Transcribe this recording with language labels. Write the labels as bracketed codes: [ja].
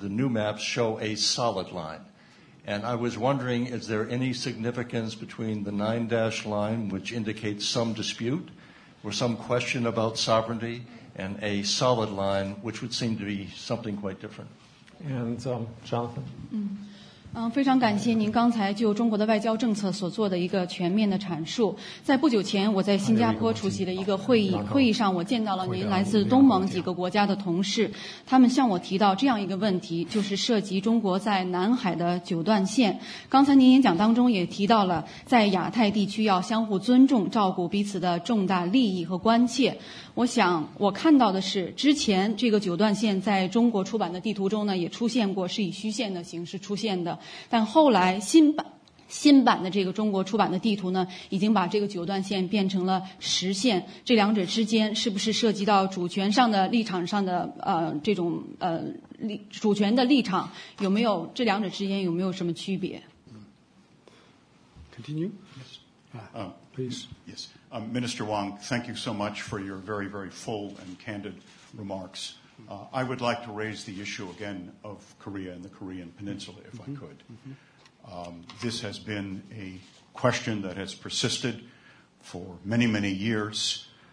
[en] The new maps show a solid line. And I was wondering, is there any significance between the nine-dash line, which indicates some dispute or some question about sovereignty, and a solid line, which would seem to be something quite different? And Jonathan? [zh] 非常感谢您刚才就中国的外交政策所做的一个全面的阐述。在不久前，我在新加坡出席了一个会议，会议上我见到了您来自东盟几个国家的同事，他们向我提到这样一个问题，就是涉及中国在南海的九段线。刚才您演讲当中也提到了，在亚太地区要相互尊重，照顾彼此的重大利益和关切。我想我看到的是，之前这个九段线在中国出版的地图中呢，也出现过，是以虚线的形式出现的。但后来新版的这个中国出版的地图呢，已经把这个九段线变成了实线，这两者之间是不是涉及到主权上的立场上的这种主权的立场，有没有这两者之间有没有什么区别 [en] ？Continue, yes, please, yes, Minister Wang, thank you so much for your very very full and candid remarks. I would like to raise the issue again of Korea and the Korean Peninsula, if I could. This has been a question that has persisted for many, many years.